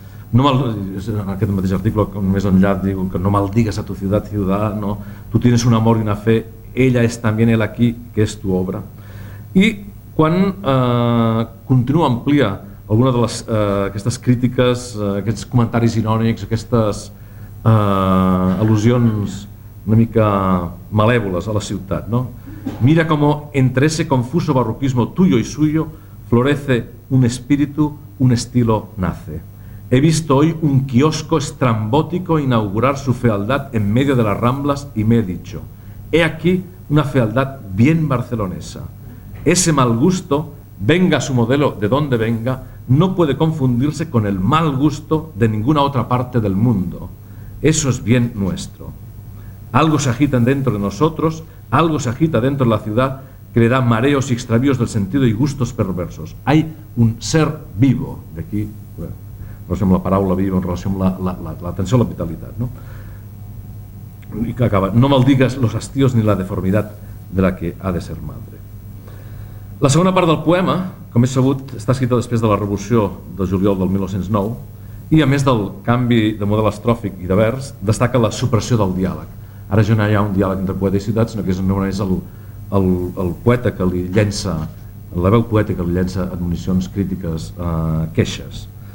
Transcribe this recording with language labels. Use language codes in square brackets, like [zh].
[ca] En aquest mateix article, més enllà, diu que [es] no maldigues a tu ciutat, ciudadano, tu tienes un amor i una fe, ella és també el aquí, que és tu obra. [ca] I quan continua amplia alguna de les, aquestes crítiques, aquests comentaris irònics, aquestes al·lusions una mica malèvoles a la ciutat, no? [es] Mira como entre ese confuso barroquismo tuyo y suyo florece un espíritu, un estilo nace. He visto hoy un kiosco estrambótico inaugurar su fealdad en medio de las ramblas y me he dicho, he aquí una fealdad bien barcelonesa. Ese mal gusto, venga su modelo de donde venga, no puede confundirse con el mal gusto de ninguna otra parte del mundo. Eso es bien nuestro. Algo se agita dentro de nosotros, algo se agita dentro de la ciudad que le da mareos y extravíos del sentido y gustos perversos. Hay un ser vivo, [ca] d'aquí, bueno, en relació amb la paraula viva, en relació amb l'atenció a la vitalitat. No? I que acaba, [es] no maldigues los hastíos ni la deformidad de la que ha de ser madre. [ca] La segona part del poema, com és sabut, està escrita després de la Revolució de juliol del 1909 i, a més del canvi de model estròfic i de vers, destaca la supressió del diàleg. Ara ja no hi ha un diàleg entre poeta i ciutat, sinó que és només el poeta que li llença, la veu poètica que li llença admonicions, crítiques, queixes.